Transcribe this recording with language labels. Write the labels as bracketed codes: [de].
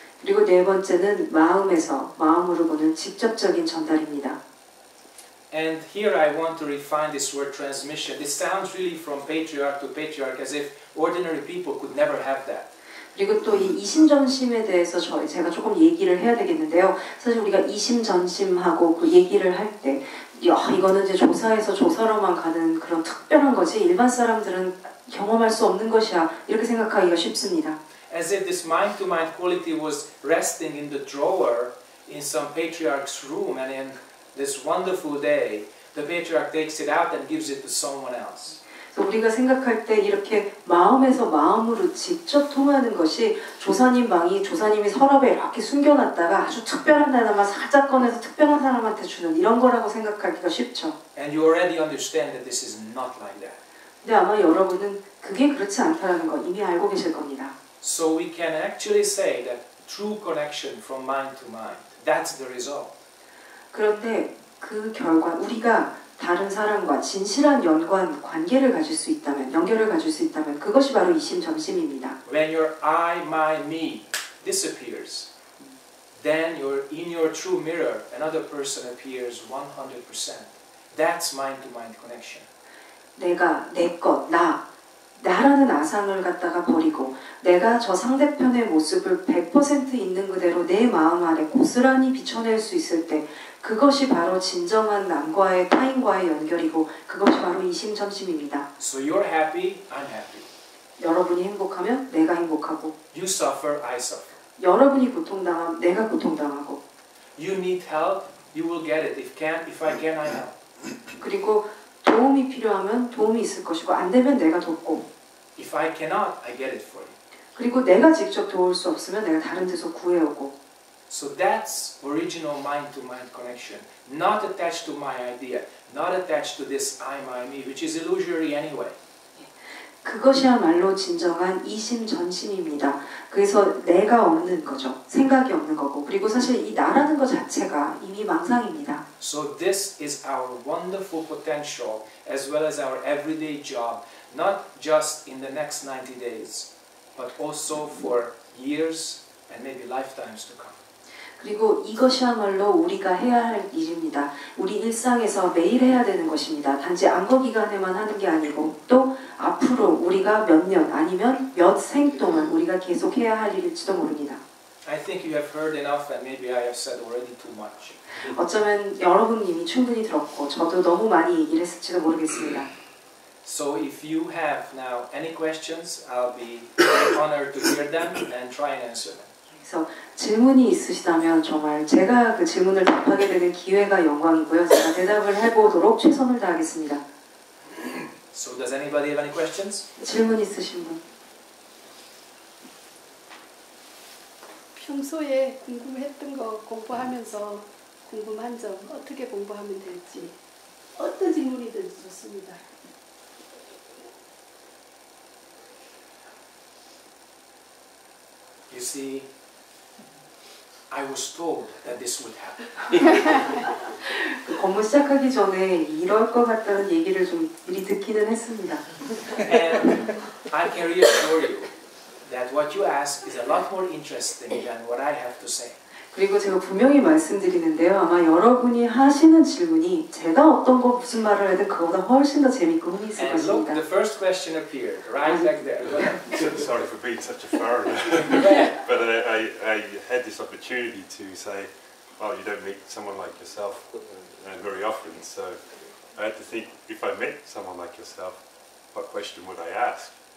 [ko] 그리고 네 번째는 마음에서 마음으로 보는 직접적인 전달입니다. [en] And here I want to refine this word transmission. This sounds really from patriarch to patriarch as if ordinary people could never have that. [ko] 그리고 또 이 이심전심에 대해서 제가 조금 얘기를 해야 되겠는데요. 사실 우리가 이심전심하고 그 얘기를 할 때 이거는 이제 조사에서 조사로만 가는 그런 특별한 거지 일반 사람들은 경험할 수 없는 것이야 이렇게 생각하기가 쉽습니다. [en] As if this mind-to-mind quality was resting in the drawer in some patriarch's room and in This wonderful day, the patriarch takes it out and gives it to someone else. [ko] So 우리가 생각할 때 이렇게 마음에서 마음으로 직접 통하는 것이 조사님 방이 조사님이 서랍에 이렇게 숨겨놨다가 아주 특별한 사람만 살짝 꺼내서 특별한 사람한테 주는 이런 거라고 생각하기가 쉽죠. [en] And you already understand that this is not like that. [ko] 근데 아마 여러분은 그게 그렇지 않다는 거 이미 알고 계실 겁니다. [en] So we can actually say that true connection from mind to mind. That's the result. [ko] 그런데 그 결과 우리가 다른 사람과 진실한 연관 관계를 가질 수 있다면 연결을 가질 수 있다면 그것이 바로 이심점심입니다. [en] When your I, my, me disappears, then you're in your true mirror. Another person appears 100%. That's mind-to-mind connection. [ko] 내가 내 것, 나 나라는 아상을 갖다가 버리고 내가 저 상대편의 모습을 100% 있는 그대로 내 마음 안에 고스란히 비춰낼 수 있을 때 그것이 바로 진정한 남과의 타인과의 연결이고 그것이 바로 이심점심입니다. [en] So you're happy, I'm happy. [ko] 여러분이 행복하면 내가 행복하고 [en] You suffer, I suffer. [ko] 여러분이 고통당하면 내가 고통당하고 [en] You need help, you will get it. If I can, I help. [ko] 그리고 도움이 필요하면 도움이 있을 것이고 안 되면 내가 돕고 [en] If I cannot, I get it for you. [ko] 그리고 내가 직접 도울 수 없으면 내가 다른 데서 구해오고 [en] So that's original mind-to-mind connection. Not attached to my idea. Not attached to this I, me, which is illusory anyway. [ko] 그것이야말로 진정한 이심전심입니다. 그래서 내가 없는 거죠. 생각이 없는 거고. 그리고 사실 이 나라는 것 자체가 이미 망상입니다. [en] So this is our wonderful potential as well as our everyday job. Not just in the next 90 days, but also for years and maybe lifetimes to come. [ko] 그리고 이것이야말로 우리가 해야 할 일입니다. 우리 일상에서 매일 해야 되는 것입니다. 단지 암흑 기간에만 하는 게 아니고 또 앞으로 우리가 몇 년 아니면 몇 생 동안 우리가 계속 해야 할 일일지도 모릅니다. [en] I think you have heard enough and maybe I have said already too much. [ko] 어쩌면 여러분님이 충분히 들었고 저도 너무 많이 얘기를 했을지도 모르겠습니다. [en] So if you have now any questions, I'll be honored to hear them and try and answer them. [ko] 그래서 질문이 있으시다면 정말 제가 그 질문을 답하게 되는 기회가 영광이고요. 제가 대답을 해보도록 최선을 다하겠습니다. [en] So does anybody have any questions? [ko] 질문 있으신 분? 평소에 궁금했던 거 공부하면서 궁금한 점 어떻게 공부하면 될지 어떤 질문이든지 좋습니다. [en] You see? I was told that this would happen. [ko] 공부 시작하기 전에 이럴 것 같다는 얘기를 좀 미리 듣기는 했습니다. [en] And I can reassure you that what you ask is a lot more interesting than what I have to say. [ko] 그리고 제가 분명히 말씀드리는데요. 아마 여러분이 하시는 질문이 제가 어떤 거 무슨 말을 해도 그거보다 훨씬 더 재밌고 흥미있을 [en] And [ko] 것입니다. [en] And look, the first question appeared right back there. Sorry for being such a foreigner. But I had this opportunity to say, well, you don't meet someone like yourself very often. So I had to think, if I met someone like yourself, what question would I ask?